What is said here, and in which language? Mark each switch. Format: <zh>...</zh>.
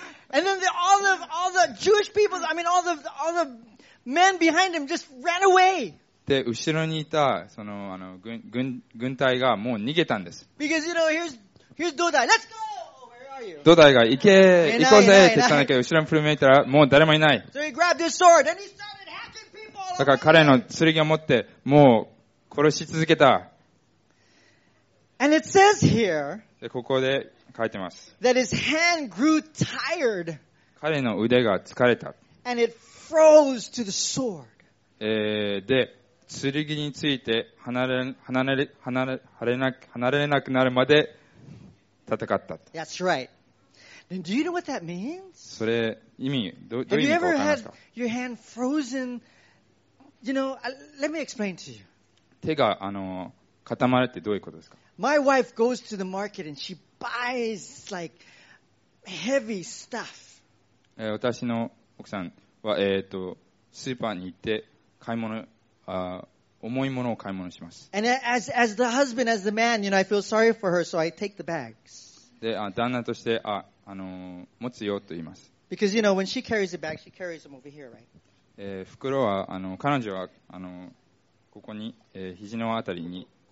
<en>And then all the Jewish people, I mean all the men behind him just ran away.</en> <ja>で後ろにいたその軍隊がもう逃げたんです。</ja> <en>Because you know here's Dodai, let's go. Where are you?</en> <ja>Dodai が行こうぜって言ったんだけど後ろに振り向いたらもう誰もいない。</ja> <en>So he grabbed his sword and he started hacking people.</en> <ja>だから彼の剣を持ってもう殺し続けた。</ja> <en>And it says here.</en> <ja>でここで書いてます。</ja> <en>That his hand grew tired.</en> <ja>彼の腕が疲れた。</ja> <en>And it froze to the sword.</en> <ja>で、剣について離れなくなるまで戦った。</ja> <en>That's right. Then do you know what that means?</en> <ja>それ、意味、どういう意味か分かりますか?</ja> <en>Have you ever had your hand frozen? You know, let me explain to you.</en> <ja>手が固まるってどういうことですか?</ja> <en>My wife goes to the market and she buys like heavy stuff.</en> <ja>私の奥さんは、スーパーに行って買い物、重いものを買い物します。</ja> <en>And as the husband, as the man, you know, I feel sorry for her, so I take the bags.</en> <ja>で、旦那として、持つよと言います。</ja> <en>Because you know, when she carries the bags, she carries them over here, right?</en> <ja>袋は彼女はここに、肘のあたりに。</ja>